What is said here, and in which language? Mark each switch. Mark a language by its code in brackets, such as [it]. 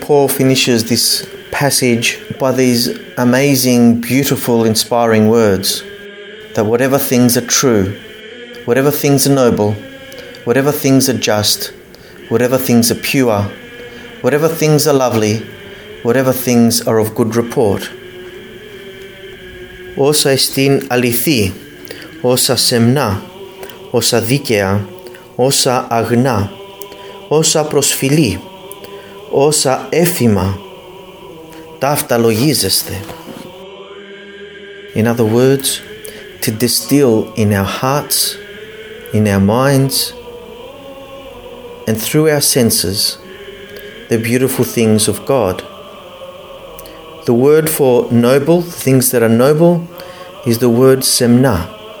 [en] Paul finishes this passage by these amazing, beautiful, inspiring words, that whatever things are true, whatever things are noble, whatever things are just, whatever things are pure, whatever things are lovely, whatever things are of good report. [el] Όσα εστίν αληθή, όσα σεμνά, όσα δίκαια, όσα αγνά, όσα προσφυλή, όσα έφημα, ταύτα λογίζεστε. [en] In other words, to distill in our hearts, in our minds, and through our senses, the beautiful things of God. The word for noble, things that are noble, is the word semna.